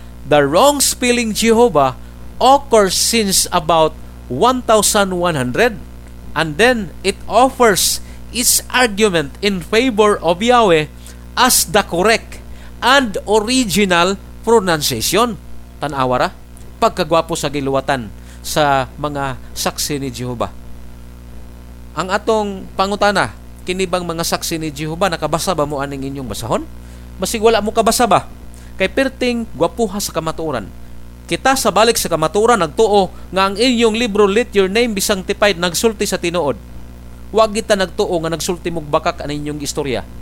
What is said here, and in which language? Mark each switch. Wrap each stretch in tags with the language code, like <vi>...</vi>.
<en>The wrong spelling Jehovah occurs since about 1100. And then it offers its argument in favor of Yahweh as the correct and original pronunciation.</en> <ceb>Tanawa ra, pagkagwapo sa giluwatan sa mga saksi ni Jehovah. Ang atong pangutana, kinibang mga saksi ni Jehovah, nakabasa ba mo aning inyong basahon? Masigwala mo kabasa ba? Kay perting gwapuha sa kamatuoran. Kita sa balik sa kamatuoran, nagtuo nga ang inyong libro Let Your Name Be Sanctified nagsulti sa tinuod. Huwag kita nagtuo nga nagsulti mong bakak ang inyong istorya.</ceb>